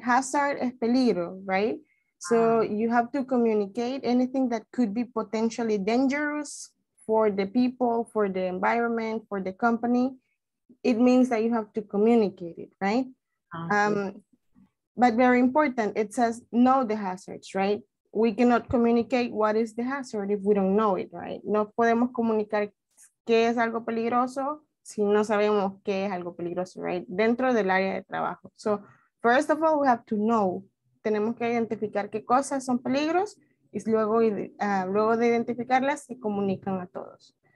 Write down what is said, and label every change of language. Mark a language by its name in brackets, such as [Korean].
[English] Hazard [Spanish] es peligro, [English] right? So you have to communicate anything that could be potentially dangerous for the people, for the environment, for the company. It means that you have to communicate it, right? But very important, it says know the hazards, right? We cannot communicate what is the hazard if we don't know it, right? [Spanish] No podemos comunicar qué es algo peligroso si no sabemos qué es algo peligroso, right? Dentro del área de trabajo. [English] So first of all, we have to know. [Spanish] Tenemos que identificar qué cosas son peligros y luego, luego de identificarlas se comunican a todos.